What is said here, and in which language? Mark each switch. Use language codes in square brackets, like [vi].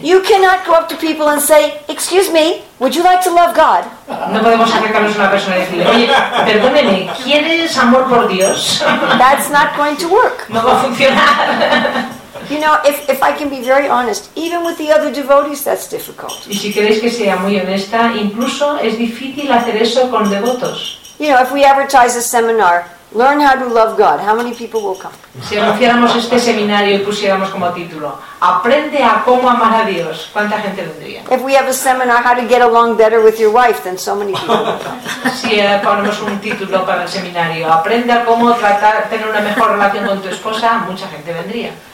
[en] You cannot go up to people and say, "Excuse me, would you like to love God?" [es] No podemos acercarnos a una persona y decirle, "Oye, perdóneme, ¿quieres amor por Dios?" [en] That's not going to work. [es] No va a funcionar. [en] You know, if I can be very honest, even with the other devotees, that's difficult. [es] Y si queréis que sea muy honesta, incluso es difícil hacer eso con devotos. [en] You know, if we advertise a seminar, learn how to love God, how many people will come? [es] Si anunciáramos este seminario y pusiéramos como título, aprende a cómo amar a Dios, ¿cuánta gente vendría? [en] If we have a seminar, how to get along better with your wife, then so many people will come. [es] Si ponemos un título para el seminario, aprende a cómo tratar, tener una mejor relación con tu esposa, mucha gente vendría.